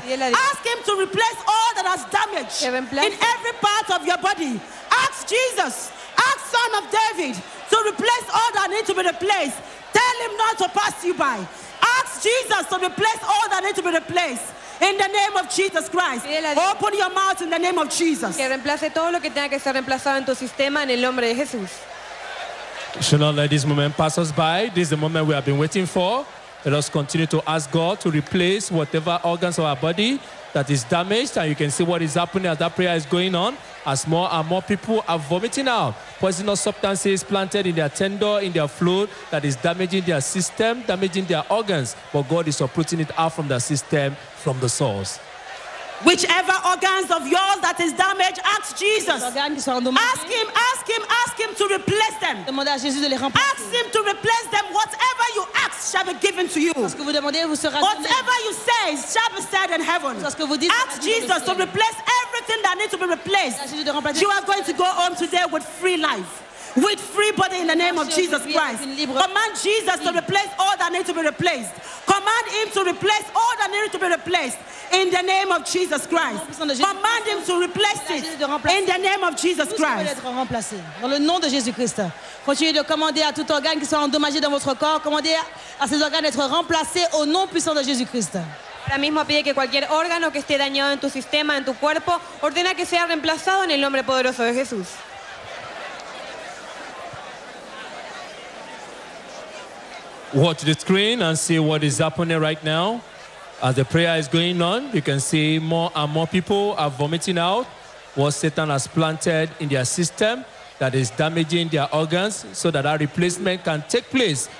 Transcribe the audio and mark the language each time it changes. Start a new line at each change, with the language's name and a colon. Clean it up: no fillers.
English: Ask him to replace all that has damaged in every part of your body. Ask Jesus, ask Son of David to replace all that needs to be replaced. Tell him not to pass you by. Ask Jesus to replace all that needs to be replaced. In the name of Jesus Christ, open your mouth in the name of Jesus.
Spanish: Que reemplace todo lo que tenga que ser reemplazado en tu sistema en el nombre de Jesús.
English: Should not let this moment pass us by. This is the moment we have been waiting for. Let us continue to ask God to replace whatever organs of our body that is damaged. And you can see what is happening as that prayer is going on. As more and more people are vomiting out poisonous substances planted in their tendon, in their fluid, that is damaging their system, damaging their organs. But God is uprooting it out from their system, from the source. Whichever organs of yours that is damaged, ask Jesus. Ask him to replace them. Ask him to replace them. Whatever you ask shall be given to you. Whatever you say shall be said in heaven. Ask Jesus to replace everything that needs to be replaced. You are going to go home today with free life, with free body in the name of Jesus Christ. Command Jesus to replace all that needs to be replaced. Command him to replace all that needs to be replaced in the name of Jesus Christ. Command him to replace it in the name of Jesus Christ.
French: Dans le nom de Jésus Christ. Continuez de commander à tout organe qui sera endommagé dans votre corps, commandez à ces organes d'être remplacés au nom puissant de Jésus Christ.
Spanish: Ahora mismo pide que cualquier órgano que esté dañado en tu sistema, en tu cuerpo, ordena que sea reemplazado en el nombre poderoso de Jesús.
English: Watch the screen and see what is happening right now. As the prayer is going on, you can see more and more people are vomiting out what Satan has planted in their system that is damaging their organs so that a replacement can take place.